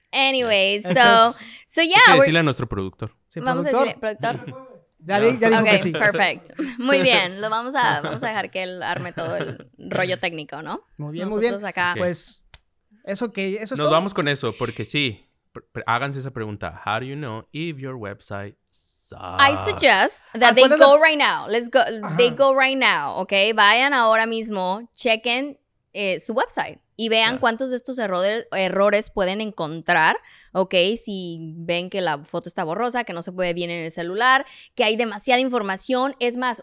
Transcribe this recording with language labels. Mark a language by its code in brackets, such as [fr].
[en] Anyway, yeah. So yeah. [es] Hay que decirle a nuestro productor. ¿Sí, vamos productor? A decirle, ¿productor? ya dijo [en] okay, [es] que sí. [en] Ok, perfect. [es] Muy bien, lo vamos a dejar que él arme todo el rollo técnico, ¿no? Muy bien. Nosotros acá. Okay. Pues, eso que, okay. Eso es nos todo. Vamos con eso, porque sí, háganse esa pregunta. [en] How do you know if your website sucks. I suggest that they go right now. Let's go. Uh-huh. They go right now, okay? [es] Vayan ahora mismo, chequen su website y vean uh-huh. cuántos de estos errores pueden encontrar, okay? Si ven que la foto está borrosa, que no se puede bien en el celular, que hay demasiada información, es más,